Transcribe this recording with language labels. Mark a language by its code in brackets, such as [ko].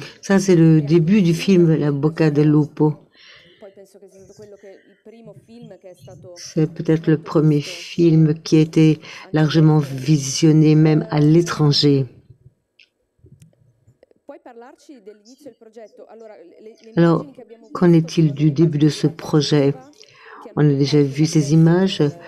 [fr] Ça c'est le début du film La Bocca del Lupo. [it] Poi penso che sia stato quello che il primo film che è stato. [fr] C'est peut-être le premier film qui a été largement visionné même à l'étranger. [it] Puoi parlarci dell'inizio del progetto? Allora, [fr] alors, qu'en est-il du début de ce projet? On a déjà vu ces images.